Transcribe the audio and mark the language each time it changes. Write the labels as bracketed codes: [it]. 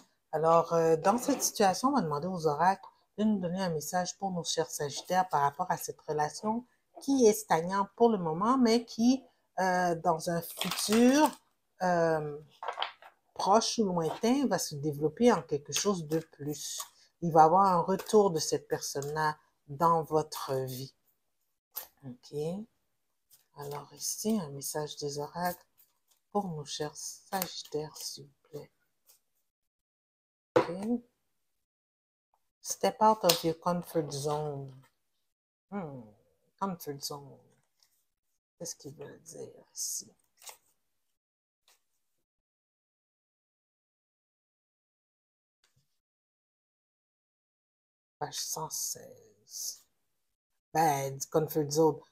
[fr] Alors, dans cette situation, on va demander aux oracles de nous donner un message pour nos chers Sagittaires par rapport à cette relation qui est stagnante pour le moment, mais qui, dans un futur proche ou lointain, va se développer en quelque chose de plus. Il va avoir un retour de cette personne-là dans votre vie. OK. Alors ici, un message des oracles pour nos chers Sagittaires, s'il vous plaît. OK. [en] Step out of your comfort zone. Comfort zone. [fr] Qu'est-ce qu'il veut dire ici? Page 116. Ben, comfort zone.